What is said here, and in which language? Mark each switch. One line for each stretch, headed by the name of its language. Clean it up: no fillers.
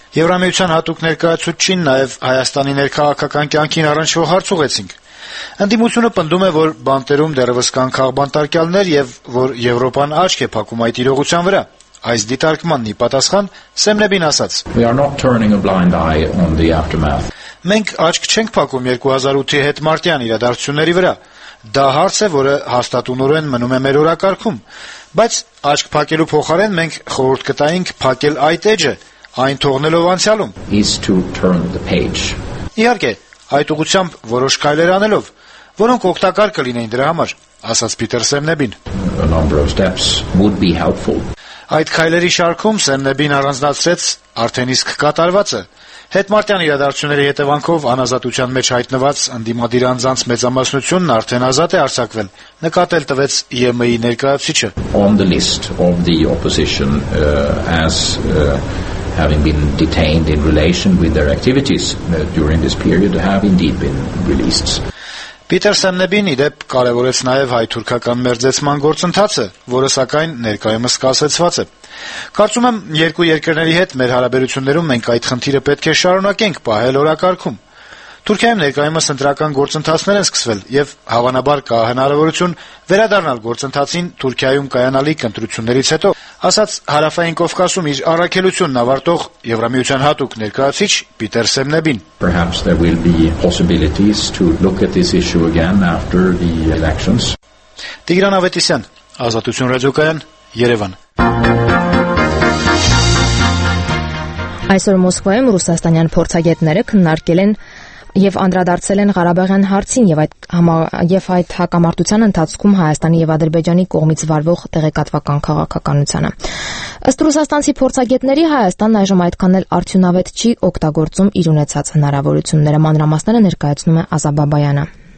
Armenian: Եվրամիության հատուկ ներկայացուցչին նաև Հայաստանի ներքաղաքական կյանքին առնչվող հարց ուղեցինք։ Ընդդիմությունը պնդում է, որ բանտերում դեռևս կան խաղբան տարկյալներ և որ Եվրոպան աչք է փակում այդ իրողության վրա։ Այս դիտարկմանն ի պատասխան Սեմնեբին ասաց.
English: We are not turning a blind eye on the aftermath.
Armenian: Մենք աչք չենք փակում 2008-ի հետմարտյան իրադարձությունների վրա։ Դա հարց է, որը հաստատ ունորեն մնում է մեր օրակարգում, բայց աչք փակելու փոխարեն մենք խորհուրդ կտայինք փակել այդ էջը, այն թողնելով անցյալում։
English: Is to turn the page.
Armenian: Իհարկե, այդ ուղությամբ որոշ քայլեր անելով, որոնք օգտակար կլինեին դրա համար, ասաց Պիտեր Սեմնեբին։
English: A number of steps would be helpful.
Armenian: Այդ քայլերի շարքում Սեմնեբին առանձնացրեց արդեն իսկ կատարվածը, հետմարտյան իրադարձությունների հետևանքով անազատության մեջ հայտնված ընդդիմադիր անձանց մեծամասնությունն արդեն ազատ է արձակվել, նկատել տվեց ԵՄ-ի ներկայացուցիչը։
English: On the list of the opposition as having been detained in relation with their activities during this period have indeed been released.
Armenian: Պիտեր Սեմնեբին ի դեպ կարևորեց նաև հայ-թուրքական մերձեցման գործընթացը, որը սակայն ներկայումս սկսեցված է։ Կարծում եմ, երկու երկրների հետ մեր հարաբերություններում մենք այդ խնդիրը պետք է շարունակենք պահել օրակարգում։ Թուրքիայում ներկայումս ընտրական գործընթացներ են սկսվել, և հավանաբար կա հնարավորություն վերադառնալ գործընթացին Թուրքիայում կայանալիք ընտրություններից հետո, ասաց Հարավային Կովկասում իր առաքելությունն ավարտող Եվրամիության հատուկ ներկայացուցիչ Պիտեր Սեմնեբին։
English: Perhaps there will be possibilities to look at this issue again after the elections.
Armenian: Տիգրան Ավետիսյան, Ազատություն ռադիոկայան, Երևան։ Այսօր Մոսկվայում ռուսաստանյան փորձագետները քննարկել են և անդրադարձել են Ղարաբաղյան հարցին եւ այդ հակամարտության ընթացքում Հայաստանի եւ Ադրբեջանի կողմից վարվող տեղեկատվական քաղաքականությունը։ Ըստ ռուսաստանցի փորձագետների, Հայաստանն այժմ այդքան էլ արդյունավետ չի օգտագործում իր ունեցած հնարավորությունները, մանրամասները ներկայացնում է Ազաբաբայանը։